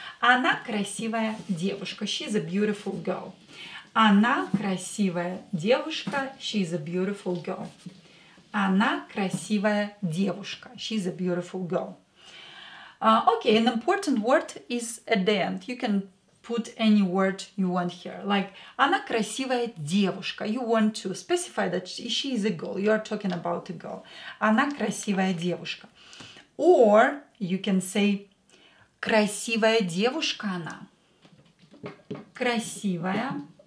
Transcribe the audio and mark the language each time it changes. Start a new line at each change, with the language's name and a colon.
Russian: Она красивая девушка,
English: she's a beautiful girl.
Russian: Она красивая девушка,
English: she's a beautiful girl.
Russian: Она красивая девушка,
English: she's a beautiful girl. Okay, an important word is at the end. You can put any word you want here.
Russian: Like, она красивая девушка.
English: You want to specify that she is a girl. You are talking about a girl.
Russian: Она красивая девушка.
English: Or you can say,
Russian: красивая девушка она. Красивая.